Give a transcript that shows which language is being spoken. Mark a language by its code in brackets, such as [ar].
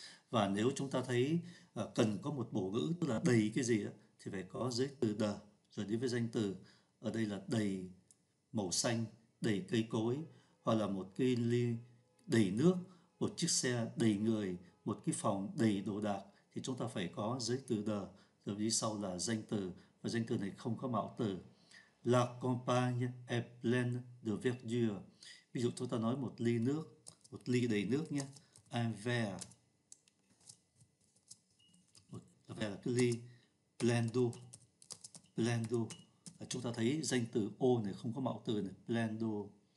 [vi] Và nếu chúng ta thấy cần có một bổ ngữ, tức là đầy cái gì đó, thì phải có dưới từ de, rồi đến với danh từ, ở đây là đầy màu xanh, đầy cây cối, hoặc là một cái ly đầy nước, một chiếc xe đầy người, một cái phòng đầy đồ đạc, thì chúng ta phải có giấy từ the, rồi đi sau là danh từ, và danh từ này không có mạo từ. [fr] La campagne est pleine de verdure. [vi] Ví dụ chúng ta nói một ly nước, một ly đầy nước nhé. [fr] Un verre. Verre [vi] là cái ly. [fr] Plein d'eau. Plein d'eau. [vi] Chúng ta thấy danh từ ô này không có mạo từ này, [fr] plein d'eau.